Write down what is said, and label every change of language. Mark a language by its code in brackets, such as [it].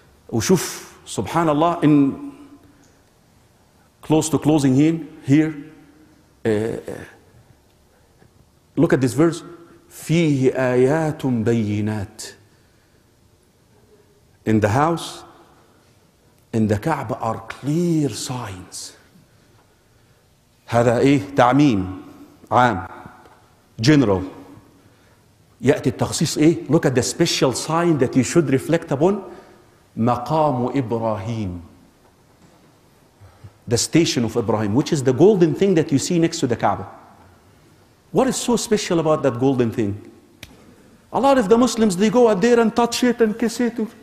[en] وشوف, subhanallah, in close to closing here, look at this verse. [ar] فيه آيات بينات. [en] In the house, in the Kaaba are clear signs. [ar] هذا إيه تعميم عام, general. يأتي التخصيص إيه. [en] Look at the special sign that you should reflect upon. [ar] مقام إبراهيم. [en] The station of Ibrahim, which is the golden thing that you see next to the Kaaba. What is so special about that golden thing? A lot of the Muslims, they go out there and touch it and kiss it.